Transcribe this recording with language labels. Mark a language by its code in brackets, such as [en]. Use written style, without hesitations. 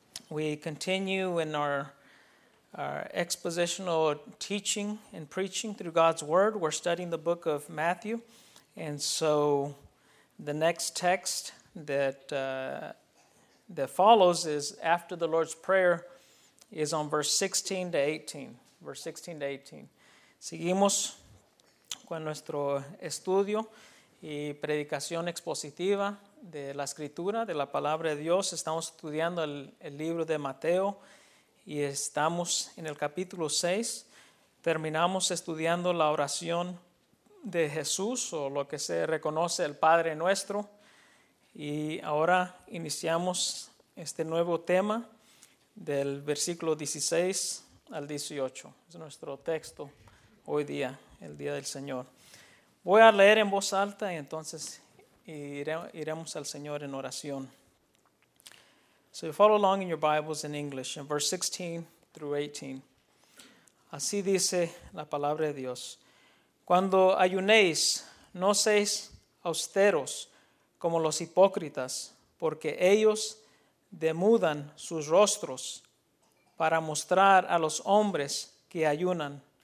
[en] We continue in our expositional teaching and preaching through God's Word. We're studying the book of Matthew. And so the next text that follows is after the Lord's Prayer is on verse 16 to 18. Verse 16 to 18. [es] Seguimos con nuestro estudio y predicación expositiva de la Escritura, de la Palabra de Dios. Estamos estudiando el libro de Mateo y estamos en el capítulo 6. Terminamos estudiando la oración de Jesús o lo que se reconoce el Padre Nuestro. Y ahora iniciamos este nuevo tema del versículo 16 al 18. Es nuestro texto hoy día, el día del Señor. Voy a leer en voz alta y entonces iremos al Señor en oración. [en] So you follow along in your Bibles in English, in verse 16 through 18. [es] Así dice la palabra de Dios. Cuando ayunéis, no seáis austeros como los hipócritas, porque ellos demudan sus rostros para mostrar a los hombres que ayunan.